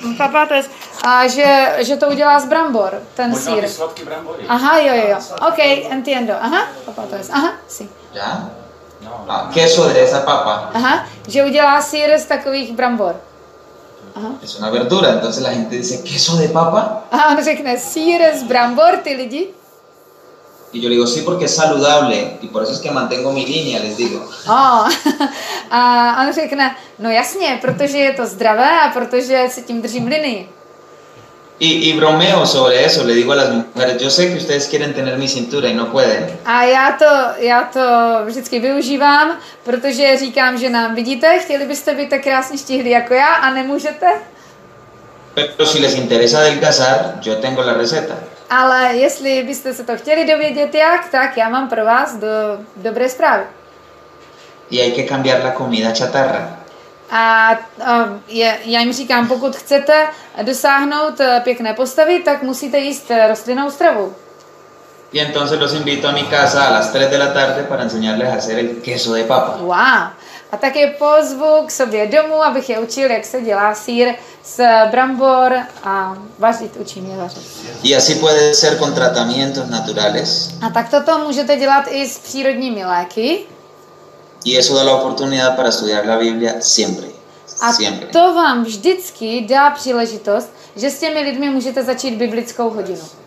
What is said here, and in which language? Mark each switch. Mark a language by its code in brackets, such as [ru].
[cs] Papatoes, že to udělá z brambor, ten možná sír. Možná sladký brambory. [es] Aha, jo. Okay, entiendo. Aha, papatoes. Aha, sí. Ya. A queso de esa papa. [cs] Aha, že udělá sýr z takových brambor. Aha. [es] Es una verdura, entonces la gente dice queso de papa. [cs] A on řekne sýr z brambor, ty lidi. [es] Y yo le digo, sí, porque es saludable. Y por eso es que mantengo mi línea, les digo. Oh. [cs] A on řekne, no jasně, protože je to zdravé a protože se tím držím linii. [es] Y bromeo sobre eso, le digo a las mujeres, yo sé que ustedes quieren tener mi cintura y no pueden. [cs] A já to vždycky využívám, protože říkám, že nám vidíte, chtěli byste být tak krásně štíhlí jako já a nemůžete. [es] Pero si les interesa adelgazar, yo tengo la receta. [cs] Ale jestli byste se to chtěli dovědět jak, tak já mám pro vás dobré zprávy. [es] Y hay que cambiar la comida chatarra. [cs] A já jim říkám, pokud chcete dosáhnout pěkné postavy, tak musíte jíst rostlinnou stravu. [es] Y entonces los invito a mi casa a las 3 de la tarde para enseñarles a hacer el queso de papa. Wow. [cs] A tak je pozvu k sobě domů, abych je učil, jak se dělá sýr z brambor a vařit, učím je vařit. [es] Y así puede ser con tratamientos naturales. [cs] A tak toto můžete dělat i s přírodními léky. [es] Y eso da la oportunidad para estudiar la Biblia siempre. A siempre. [cs] To vám vždycky dá příležitost, že s těmi lidmi můžete začít biblickou hodinu.